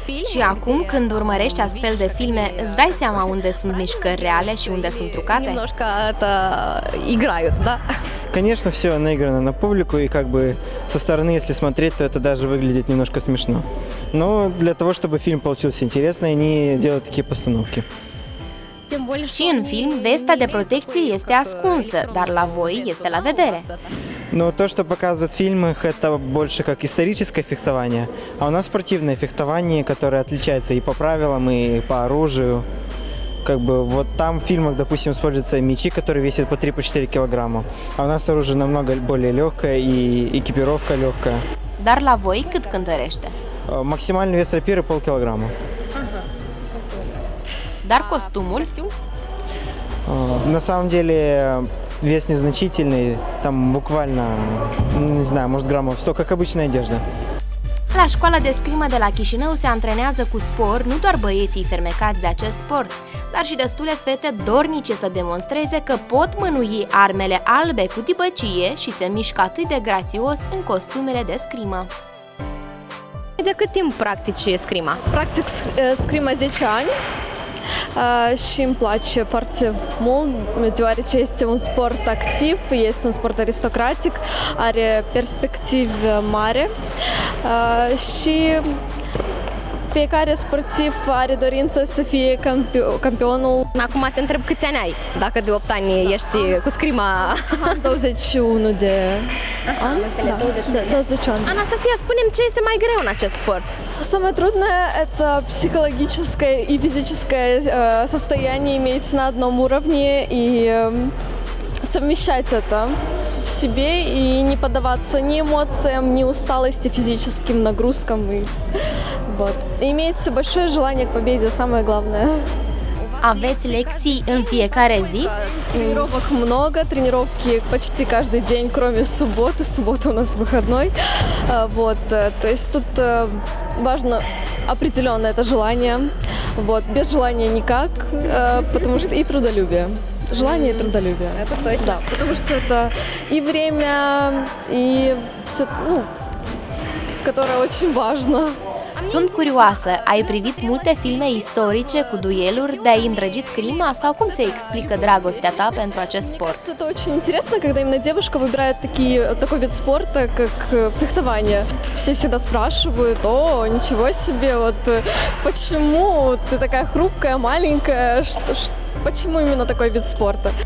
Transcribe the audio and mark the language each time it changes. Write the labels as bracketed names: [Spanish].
[Romanian] Și acum, când urmărești astfel de filme, îți dai seama unde sunt mișcări reale și unde sunt trucate? [Russian] Немножко это играют, да? Конечно, все наиграно на публику, и как бы со стороны, если смотреть, то это даже выглядит немножко смешно. Но для того, чтобы фильм получился интересный, они делают такие постановки. [Romanian] Și în film, vesta de protecție este ascunsă, dar la voi este la vedere. [Russian] Но то, что показывают в фильмах, это больше как историческое фехтование, а у нас спортивное фехтование, которое отличается и по правилам, и по оружию. Как бы вот там в фильмах, допустим, используются мечи, которые весят по 3-4 килограмма, а у нас оружие намного более легкое и экипировка легкая. [Romanian] Dar la voi cât cântărește? [Russian] Максимальный вес рапиры 0,5 килограмма. [Romanian] Dar costumul? [Russian] На самом деле вес незначительный, там буквально, не знаю, может граммов 100, как обычная одежда. [Romanian] La școala de scrimă de la Chișinău se antrenează cu spor nu doar băieții fermecați de acest sport, dar și destule fete dornice să demonstreze că pot mânui armele albe cu tipăcie și se mișcă atât de grațios în costumele de scrimă. De cât timp practici scrima? Practic scrima 10 ani. Și îmi place foarte mult, deoarece este un sport activ, este un sport aristocratic, are perspective mare și fiecare sportiv are dorință să fie campionul. Acum te întreb câți ani ai, dacă de 8 ani ești cu scrima. Am 21 de ani. Da, 20 ani. Anastasia, spune-mi ce este mai greu în acest sport. [Russian] Самое трудное – это психологическое и физическое состояние иметь на одном уровне и совмещать это в себе и не поддаваться ни эмоциям, ни усталости, физическим нагрузкам. Вот. Иметь большое желание к победе – самое главное. Aveți lecții în fiecare zi? Тренировок много, тренировки почти каждый день, кроме субботы. Суббота у нас выходной. Вот, то есть тут важно определенное это желание. Вот, без желания никак, потому что и трудолюбие. Желание и трудолюбие. Это точно. Да, потому что это и время, и все, ну, которое очень важно. [Romanian] Sunt curioasă, ai privit multe filme istorice cu dueluri, de a îndrăgit scrima sau cum se explică dragostea ta pentru acest sport? Este foarte interesant când [Russian] именно девушка выбирает такой вид спорта, как фехтование. Все всегда спрашивают: "О, ничего себе, вот почему ты такая хрупкая, маленькая? Почему именно такой вид спорта?"